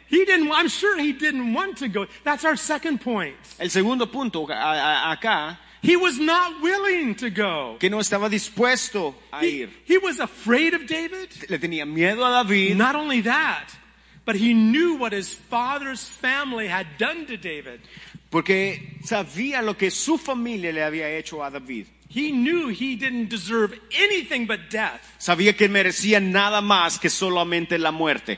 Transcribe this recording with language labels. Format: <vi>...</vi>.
<en>I'm sure he didn't want to go. That's our second point.</en> <es>El segundo punto acá.</es> <en>He was not willing to go.</en> <es>Que no estaba dispuesto a ir.</es> <en>He was afraid of David.</en> <es>Le tenía miedo a David.</es> <en>Not only that, but he knew what his father's family had done to David.</en> <es>Porque sabía lo que su familia le había hecho a David.</es> <en>He knew he didn't deserve anything but death.</en> <es>Sabía que merecía nada más que solamente la muerte.</es>